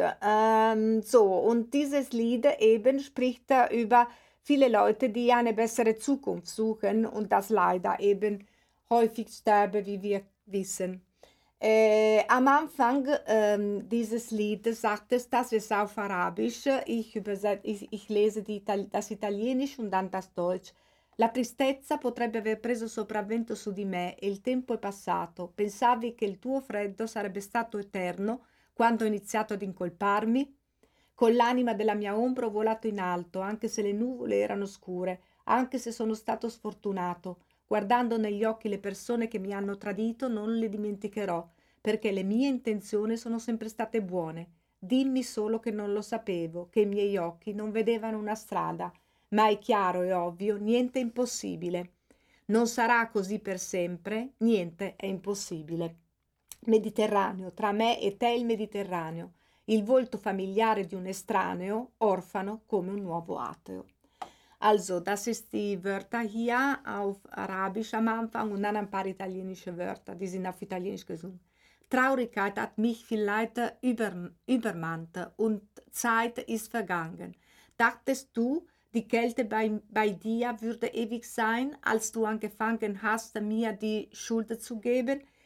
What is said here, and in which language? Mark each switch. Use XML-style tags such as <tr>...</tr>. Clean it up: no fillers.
<de>Und dieses Lied eben spricht über viele Leute, die eine bessere Zukunft suchen und das leider eben häufig sterben, wie wir wissen. Am Anfang dieses Liedes sagt es, das ist auf Arabisch, ich lese das Italienisch und dann das Deutsch.</de> <it>La tristezza potrebbe aver preso sopravvento su di me e il tempo è passato. Pensavi che il tuo freddo sarebbe stato eterno quando ho iniziato ad incolparmi? Con l'anima della mia ombra ho volato in alto, anche se le nuvole erano scure, anche se sono stato sfortunato. Guardando negli occhi le persone che mi hanno tradito, non le dimenticherò, perché le mie intenzioni sono sempre state buone. Dimmi solo che non lo sapevo, che i miei occhi non vedevano una strada. Ma è chiaro e ovvio, niente è impossibile. Non sarà così per sempre, niente è impossibile. Mediterraneo, tra me e te il Mediterraneo. Il volto familiare di un estraneo, orfano come un nuovo ateo.</it> <de>Also, das ist die Wörter hier auf Arabisch am Anfang und dann ein paar italienische Wörter, die sind auf Italienisch gesungen. Traurigkeit hat mich vielleicht übermannt und Zeit ist vergangen. Dachtest du, die Kälte bei dir würde ewig sein, als du angefangen hast, mir die Schuld zu geben?</de>